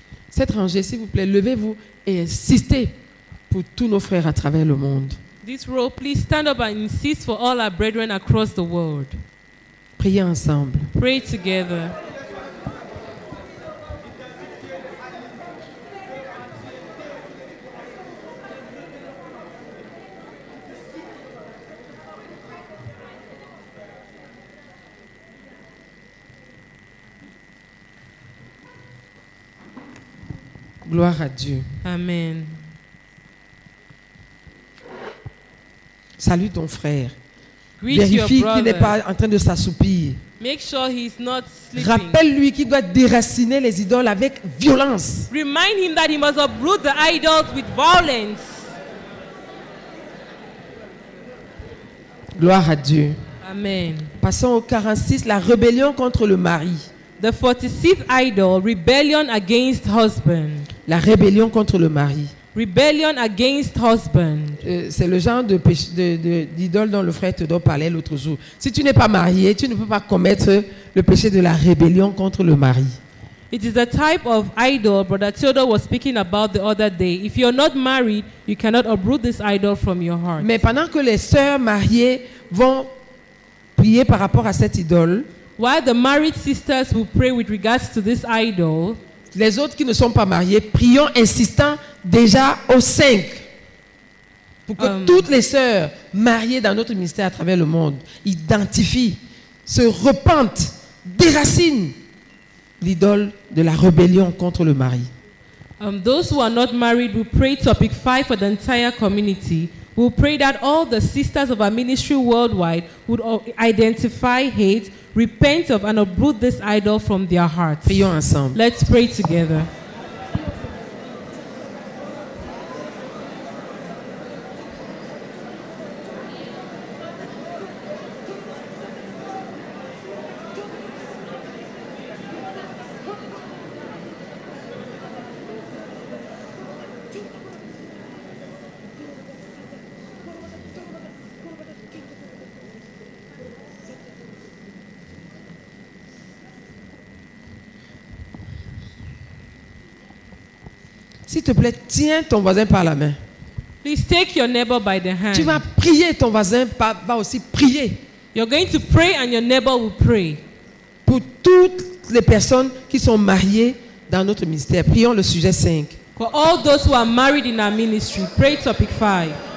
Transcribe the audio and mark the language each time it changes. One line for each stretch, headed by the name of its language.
French: Cette rangée, s'il vous plaît, levez-vous et insistez pour tous nos frères à travers le monde.
English: This row, please stand up and insist for all our brethren across the world.
French: Priez ensemble.
English: Pray together.
French: Gloire à Dieu. Amen. Salue ton frère. Vérifie qu'il n'est pas en train de s'assoupir.
English: Make sure he's not sleeping.
French: Rappelle-lui qu'il doit déraciner les idoles avec violence.
English: Remind him that he must uproot the idols with violence.
French: Gloire à Dieu. Amen. Passons au 46, la rébellion contre le mari.
English: The 46th idol, rebellion against husband.
French: La rébellion contre le mari.
English: Rebellion against husband.
French: C'est le genre d'idole dont le frère Théodore parlait l'autre jour. Si tu n'es pas marié, tu ne peux pas commettre le péché de la rébellion contre le mari.
English: It is a type of idol Brother Theodore was speaking about the other day. If you're not married, you cannot uproot this idol from your heart.
French: Mais pendant que les sœurs mariées vont prier par rapport à cette idole,
English: while the married sisters will pray with regards to this idol,
French: les autres qui ne sont pas mariées prions insistant déjà aux cinq pour que toutes les sœurs mariées dans notre ministère à travers le monde identifient, se repentent, déracinent l'idole de la rébellion contre le mari.
English: Those who are not married will pray topic 5 for the entire community. We'll pray that all the sisters of our ministry worldwide would identify hate, repent of and uproot this idol from their hearts.
French: Prions ensemble.
English: Let's pray together.
French: S'il te plaît, tiens ton voisin par la main.
English: Please take your neighbor by the hand.
French: Tu vas prier, ton voisin va aussi prier.
English: You're going to pray and your neighbor will pray.
French: Pour toutes les personnes qui sont mariées dans notre ministère, prions le sujet 5.
English: For all those who are married in our ministry, pray topic 5.